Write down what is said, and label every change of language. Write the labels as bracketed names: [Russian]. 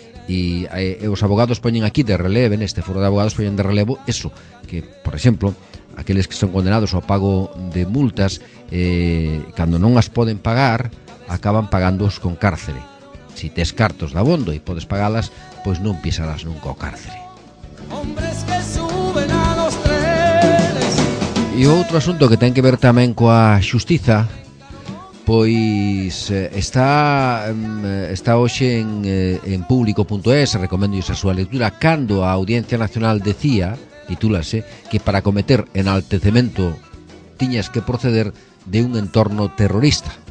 [Galician] E os abogados poñen aquí de relevo, en este foro de abogados poñen de relevo eso, que, por exemplo, aqueles que son condenados ao pago de multas, cando non as poden pagar, acaban pagándoos con cárcere. Si tes cartos de abondo e podes pagalas, pois non pisarás nunca o cárcere. [Spanish] Hombres que suben a los trenes. [Galician] E outro asunto que ten que ver tamén coa xustiza, pois está hoxe en público.es, recoméndolles a súa lectura, cando a Audiencia Nacional decía, titúlase, que para cometer enaltecemento tiñas que proceder de un entorno terrorista.